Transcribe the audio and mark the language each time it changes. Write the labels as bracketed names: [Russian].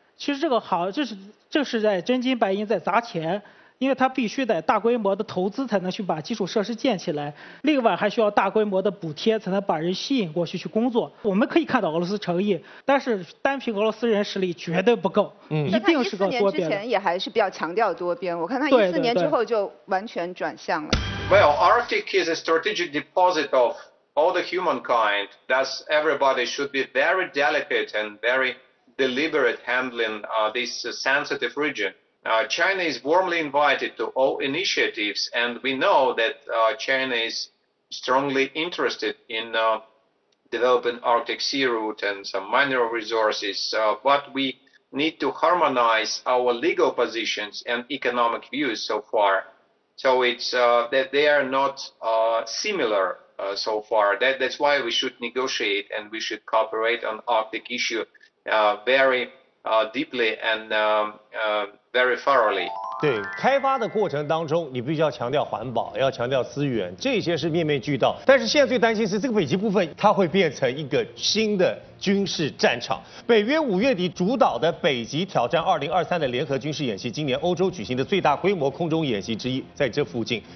[Chinese] 其实这个行这是在真金白银在砸钱，因为它必须得大规模的投资才能去把基础设施建起来，另外还需要大规模的补贴才能把人吸引过去去工作。我们可以看到俄罗斯诚意，但是单凭俄罗斯人实力绝对不够，一定是个多边。 14年之前也还是比较强调多边，我看他14年之后就完全转向了。 [English] Well, Arctic is a strategic deposit of all the humankind, thus everybody should be very delicate and very deliberate handling this sensitive region. China is warmly invited to all initiatives, and we know that China is strongly interested in developing Arctic Sea Route and some mineral resources, but we need to harmonize our legal positions and economic views so far. So it's that they are not similar so far. That's why we should negotiate and we should cooperate on Arctic issue very deeply and very thoroughly. [Chinese] 对，开发的过程当中你必须要强调环保，要强调资源，这些是面面俱到。但是现在最担心是这个北极部分它会变成一个新的军事战场。北约5月底主导的北极挑战2023的联合军事演习，今年欧洲举行的最大规模空中演习之一，在这附近。